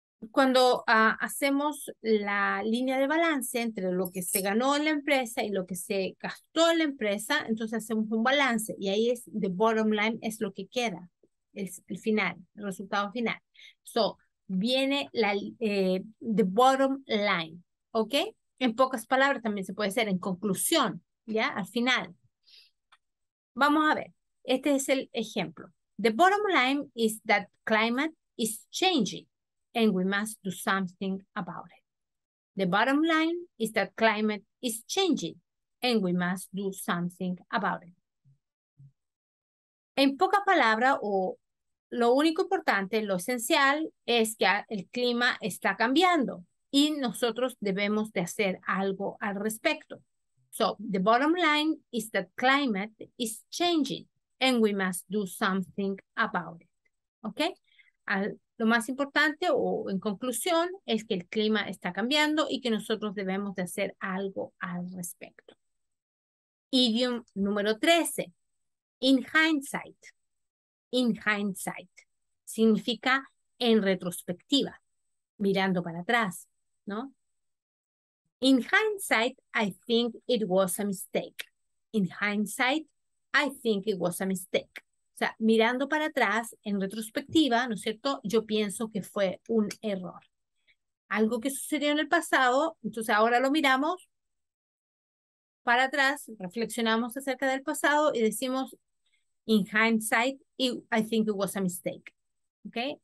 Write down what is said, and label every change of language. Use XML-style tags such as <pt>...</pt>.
<es>Cuando hacemos la línea de balance entre lo que se ganó en la empresa y lo que se gastó en la empresa, entonces hacemos un balance y ahí es</es> <en>the bottom line,</en> <es>es lo que queda, es el final, el resultado final.</es> <en>So,</en> <es>viene la</es> <en>the bottom line,</en> <es>¿ok? En pocas palabras también se puede hacer en conclusión, ¿ya? Al final. Vamos a ver, este es el ejemplo.</es> <en>The bottom line is that climate is changing. And we must do something about it. The bottom line is that climate is changing. And we must do something about it.</en> <es>En poca palabra, o lo único importante, lo esencial, es que el clima está cambiando. Y nosotros debemos de hacer algo al respecto.</es> <en>So, the bottom line is that climate is changing. And we must do something about it. Okay?</en> <es>Lo más importante o en conclusión es que el clima está cambiando y que nosotros debemos de hacer algo al respecto.</es> <en>Idiom número 13. In hindsight. In hindsight.</en> <es>Significa en retrospectiva. Mirando para atrás, ¿no?</es> <en>In hindsight, I think it was a mistake. In hindsight, I think it was a mistake.</en> <es>O sea, mirando para atrás, en retrospectiva, ¿no es cierto? Yo pienso que fue un error. Algo que sucedió en el pasado, entonces ahora lo miramos para atrás, reflexionamos acerca del pasado y decimos,</es> <en>in hindsight, I think it was a mistake.</en> <es>¿Okay?</es>